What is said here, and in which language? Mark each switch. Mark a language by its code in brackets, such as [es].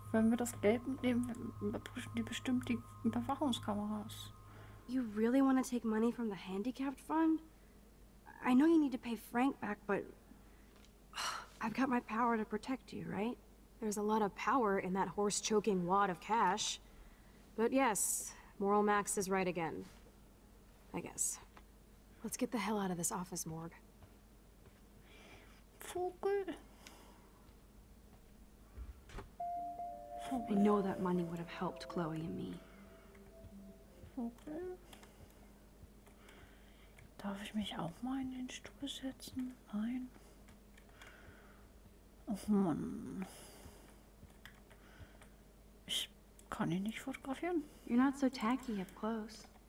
[de] Wenn wir das Geld nehmen, pushen die bestimmt die Überwachungskameras. [en] You really want to take money from the handicapped fund? I know you need to pay Frank back, but I've got my power to protect you, right? There's a lot of power in that horse-choking wad of cash. But yes, Moral Max is right again. I guess. Let's get the hell out of this office, Morg. [de] Vogel. [en] I know that money would have helped Chloe and me. [de] Vogel. Darf ich mich auch mal in den Stuhl setzen? Nein. Oh Mann. Kann ich nicht fotografieren? [en] You're not so tacky up close.